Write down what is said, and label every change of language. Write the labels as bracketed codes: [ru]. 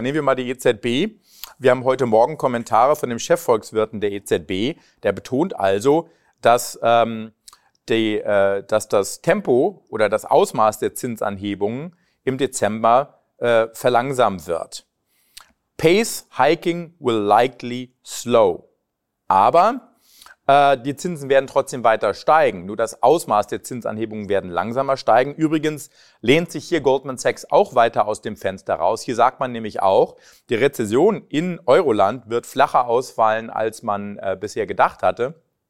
[de] Nehmen wir mal die EZB. Wir haben heute Morgen Kommentare von dem Chefvolkswirten der EZB. Der betont also, dass dass das Tempo oder das Ausmaß der Zinsanhebungen im Dezember verlangsamt wird. [en] Pace hiking will likely slow. [de] Aber die Zinsen werden trotzdem weiter steigen. Nur das Ausmaß der Zinsanhebungen werden langsamer steigen. Übrigens lehnt sich hier Goldman Sachs auch weiter aus dem Fenster raus. Hier sagt man nämlich auch, die Rezession in Euroland wird flacher ausfallen, als man bisher gedacht hatte.